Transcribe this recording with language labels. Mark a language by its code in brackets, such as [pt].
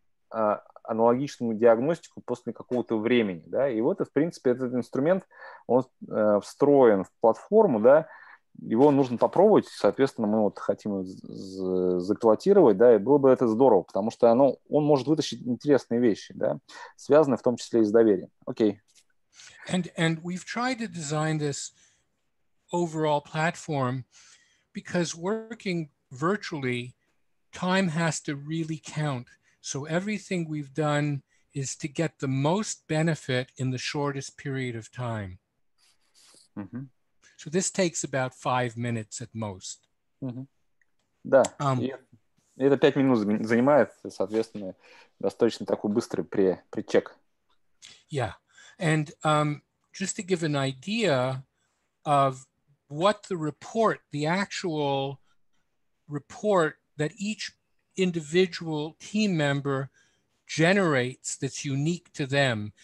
[ru] аналогичную диагностику после какого-то времени, да, и вот, в принципе, этот инструмент, он встроен в платформу, да, его нужно попробовать, соответственно, мы вот хотим запилотировать, да, и было бы это здорово, потому что оно, он может вытащить интересные вещи, да, связанные в том числе и с доверием. Окей. [en] And we've tried to design this overall platform because working virtually, time has to really count. So everything we've done is to get the most benefit in the shortest period of time. Mm-hmm. So this takes about 5 minutes at most. Mm-hmm. [ru] Да, это 5 минут занимает, соответственно, достаточно такой быстрый пречек. [en] Yeah, and just to give an idea of what the report, the actual report that each individual team member generates that's unique to them.